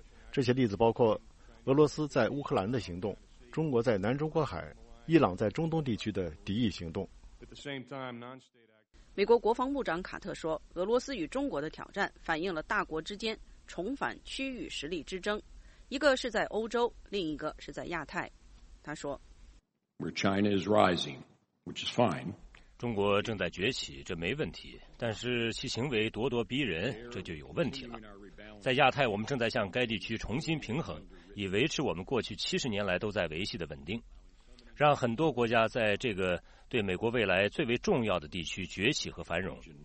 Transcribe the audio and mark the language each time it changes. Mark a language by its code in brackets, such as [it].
[zh] 这些例子包括俄罗斯在乌克兰的行动，中国在南中国海，伊朗在中东地区的敌意行动。美国国防部长卡特说，俄罗斯与中国的挑战反映了大国之间重返区域实力之争，一个是在欧洲，另一个是在亚太。他说， [en] Where China is rising, which is fine. [zh] 中国正在崛起，这没问题，但是其行为咄咄逼人，这就有问题了。在亚太，我们正在向该地区重新平衡，以维持我们过去70年来都在维系的稳定，让很多国家在这个对美国未来最为重要的地区崛起和繁荣。